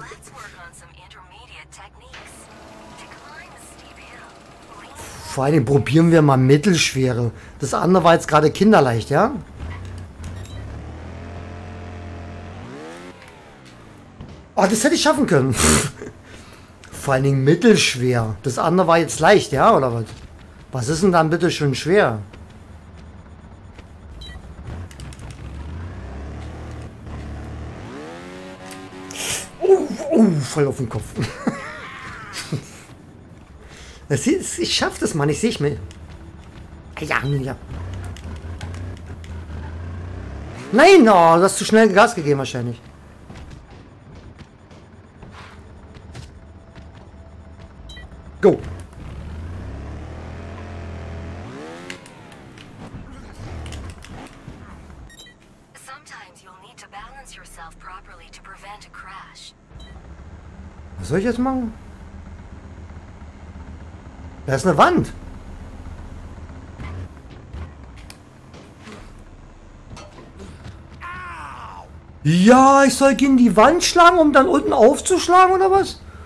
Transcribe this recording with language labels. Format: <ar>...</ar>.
<en>Let's work on some intermediate techniques.</en> <de>Vor allen Dingen probieren wir mal mittelschwere. Das andere war jetzt gerade kinderleicht, ja? Oh, das hätte ich schaffen können. Vor allen Dingen mittelschwer. Das andere war jetzt leicht, ja, oder was? Was ist denn dann bitte schön schwer? Oh, voll auf den Kopf. Ich schaff das, Mann. Ich sehe ich mir. Ja. Nein, oh, du hast zu schnell Gas gegeben wahrscheinlich.</de> <en>Go! Sometimes you'll need to balance yourself properly to prevent a crash.</en> <de>Was soll ich jetzt machen? Da ist eine Wand! Ja, ich soll gegen die Wand schlagen, um dann unten aufzuschlagen oder was?</de>